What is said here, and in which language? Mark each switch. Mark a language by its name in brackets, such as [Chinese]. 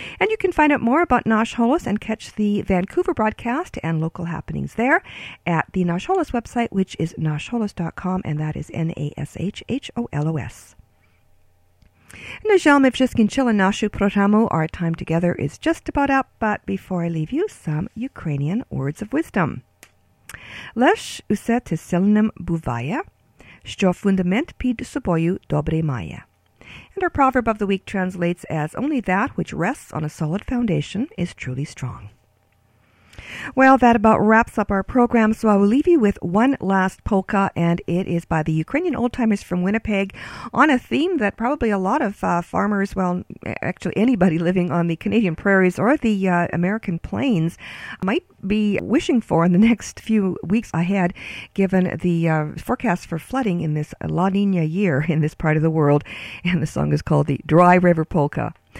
[English] And you can find out more about Nash Holos and catch the Vancouver broadcast and local happenings there at the Nash Holos website, which is nashholos.com, and that is N-A-S-H-H-O-L-O-S. Our time together is just about up, but before I leave you, some Ukrainian words of wisdom. [Ukrainian] Леш усе те сильним буває, що фундамент під собою добре має. [English] And our proverb of the week translates as, only that which rests on a solid foundation is truly strong. Well, that about wraps up our program, so I will leave you with one last polka, and it is by the Ukrainian old-timers from Winnipeg on a theme that probably a lot of farmers, well, actually anybody living on the Canadian prairies or the American plains might be wishing for in the next few weeks ahead, given the forecast for flooding in this La Nina year in this part of the world, and the song is called the Dry River Polka.